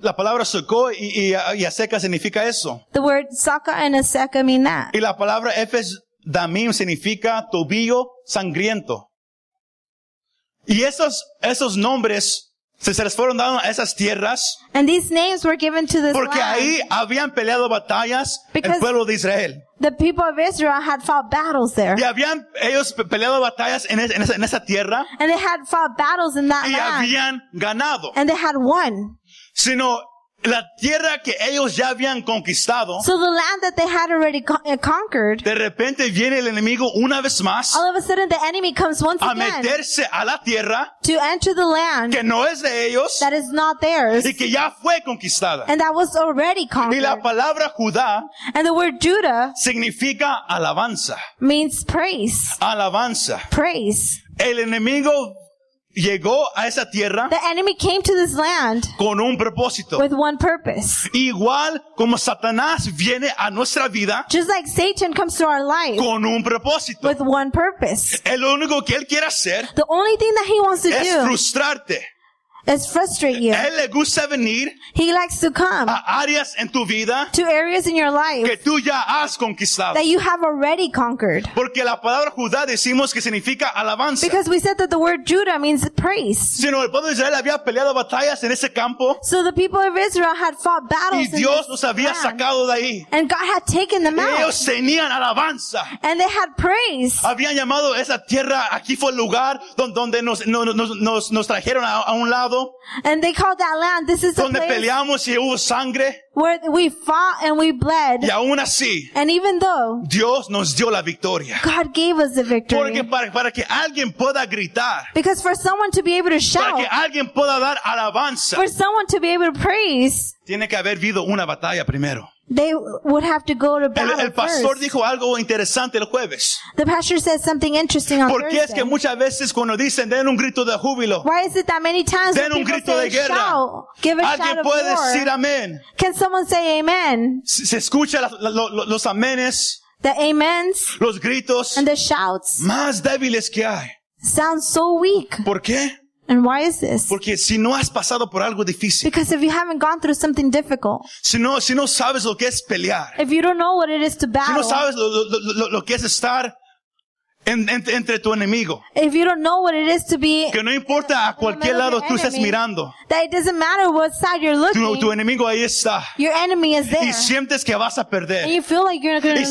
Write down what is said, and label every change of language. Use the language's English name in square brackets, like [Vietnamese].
[Spanish] La palabra Socó y Azeca significa eso. [English] The word Socó and Azeca mean that. [Spanish] Y la palabra Efes Damim significa tobillo sangriento. Y esos nombres se les fueron dando a esas tierras. [English] And these names were given to this [Spanish] porque [English] land [Spanish] ahí habían peleado batallas el pueblo de Israel. [English] The people of Israel had fought battles there. [Spanish] Y habían ellos peleado batallas en esa tierra. [English] And they had fought battles in that [Spanish] y [English] land. [Spanish] Y habían ganado. [English] And they had won. [Spanish] Sino la tierra que ellos ya habían conquistado. [English] So the land that they had already conquered. [Spanish] De repente viene el enemigo una vez más. [English] All of a sudden the enemy comes once again. [Spanish] A meterse a la tierra. [English] To enter the land. [Spanish] Que no es de ellos. [English] That is not theirs. [Spanish] Y que ya fue conquistada. [English] And that was already conquered. [Spanish] Y la palabra Judá. [English] And the word Judah. [Spanish] Significa alabanza. [English] Means praise. [Spanish] Alabanza. [English] Praise. [Spanish] El enemigo llegó a esa tierra. [English] The enemy came to this land [Spanish] con un propósito. [English] With one purpose. [Spanish] Igual como Satanás viene a nuestra vida. [English] Just like Satan comes to our life [Spanish] con un propósito. [English] With one purpose. [Spanish] El único que él quiere hacer, [English] the only thing that he wants to [Spanish] es [English] do [Spanish] frustrarte. [English] Is frustrate you. [Spanish] Él le gusta venir, [English] he likes to come [Spanish] a áreas en tu vida, [English] to areas in your life [Spanish] que tú ya has conquistado, [English] that you have already conquered. [Spanish] Porque la palabra Judá decimos que significa alabanza. [English] Because we said that the word Judah means praise. [Spanish] Sino el pueblo de Israel había peleado batallas en ese campo, [English] so the people of Israel had fought battles [Spanish] y Dios [English] in this [Spanish] los había sacado de ahí, [English] and God had taken them [Spanish] ellos [English] out. [Spanish] Tenían alabanza. [English] And they had praise. [Spanish] Habían llamado esa tierra, aquí fue el lugar donde nos trajeron a un lado. [English] And they called that land, this is [Spanish] donde [English] the place [Spanish] peleamos y hubo sangre, [English] where we fought and we bled. [Spanish] Y aún así, [English] and even though [Spanish] Dios nos dio la victoria, [English] God gave us the victory. [Spanish] Porque para que alguien pueda gritar, [English] because for someone to be able to shout, [Spanish] para que alguien pueda dar alabanza, [English] for someone to be able to praise, [Spanish] tiene que haber habido una batalla primero. [English] They would have to go to battle [Spanish] el pastor [English] first. [Spanish] Dijo algo interesante el jueves. [English] The pastor said something interesting on [Spanish] ¿por qué [English] Thursday? [Spanish] Es que muchas veces cuando dicen den un grito de júbilo. [English] Why is it that many times [Spanish] den un grito de guerra. [English] Shout, give a [Spanish] alguien [English] shout [Spanish] puede [English] of war. [Spanish] Decir amén. [English] Can someone say amen? [Spanish] Se escucha los amenes. [English] The amens. [Spanish] Los gritos. [English] And the shouts. [Spanish] Más débiles que hay. [English] Sounds so weak. [Spanish] ¿Por qué? [English] And why is this? [Spanish] Porque si no has pasado por algo difícil. [English] Because if you haven't gone through something difficult. [Spanish] Si no sabes lo que es pelear. [English] If you don't know what it is to battle. [Spanish] Si no sabes lo que es estar entre tu enemigo. [English] If you don't know what it is to be. [Spanish] Que no importa a cualquier lado tú estés mirando. [English] That it doesn't matter what side you're looking. [Spanish] Tu enemigo ahí está. [English] Your enemy is there. [Spanish] Y sientes que vas a perder. [English] And you feel like you're going to lose.